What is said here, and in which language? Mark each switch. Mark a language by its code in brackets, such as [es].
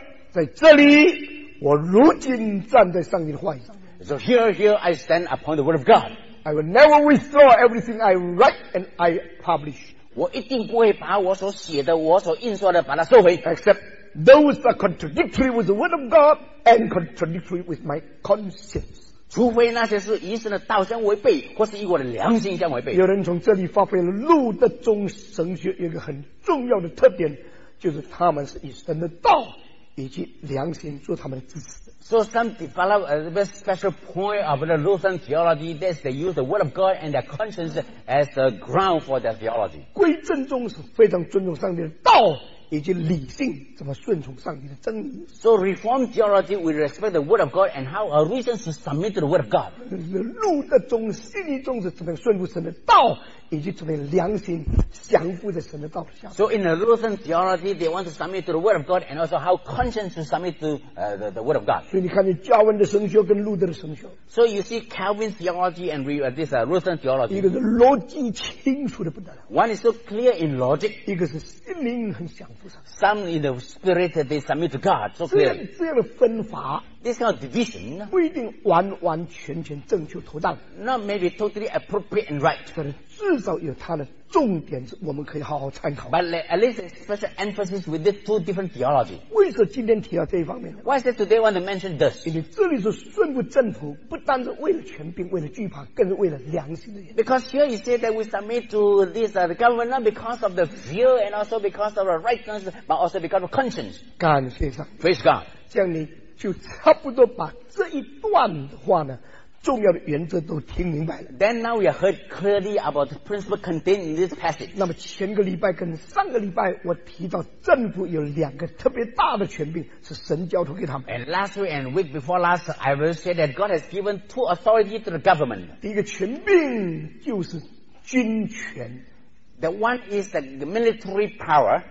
[zh] 在这里，我如今站在上帝的话语上。 [en] So here, I stand upon the word of God. I will never withdraw everything I write and I publish. [zh] 我一定不会把我所写的、我所印刷的把它收回。 [en] Except those are contradictory with the word of God and contradictory with my conscience. [zh] 除非那些是与神的道相违背，或是与我的良心相违背。有人从这里发挥了路德宗神学一个很重要的特点，就是他们是与神的道以及良心做他们的支持。 [en] So some develop a very special point of the Lutheran theology that they use the word of God and their conscience as the ground for their theology. [zh] 归正宗是非常尊重上帝的道以及理性怎么顺从上帝的真理。 [en] So Reformed theology we respect the word of God and how a reason to submit to the word of God. [zh] 路德宗、信义宗是怎么顺服神的道以及怎么良心降服在神的道下。 [en] So in the Lutheran theology they want to submit to the word of God and also how conscience to submit to the word of God. [zh] 所以你看见加文的神学跟路德的神学。 [en] So you see Calvin's theology and this Lutheran theology. [zh] 一个是逻辑清楚的不得了。 [en] One is so clear in logic. 一个是心灵很降服上。 Some in the spirit they submit to God. So clear. [zh] 这样的分法。 [en] This kind of division. [zh] 不一定完完全全正确妥当。 [en] Not maybe totally appropriate and right. [zh] 但是至少有它的重点是我们可以好好参考。 [en] But at least a special emphasis with the two different theology. [zh] 为什么今天提到这一方面呢 [en] ？Why is it today I want to mention this? [zh] 因为这里是顺服政府，不单是为了权柄，为了惧怕，更是为了良心的原因。 [en] Because here you say that we submit to this the government not because of the fear and also because of the rightness, but also because of conscience. [zh] 感谢上帝。 [en] Praise God. [zh] 这样你就差不多把这一段的话呢。重要的原则都听明白了。 [en] Then now we have heard clearly about the principle contained in this passage. [zh] 那么前个礼拜跟上个礼拜，我提到政府有两个特别大的权柄是神交托给他们。 [en] And last week and week before last, I will say that God has given two authority to the government. [zh] 第一个权柄就是军权。 [en] The one is the military power.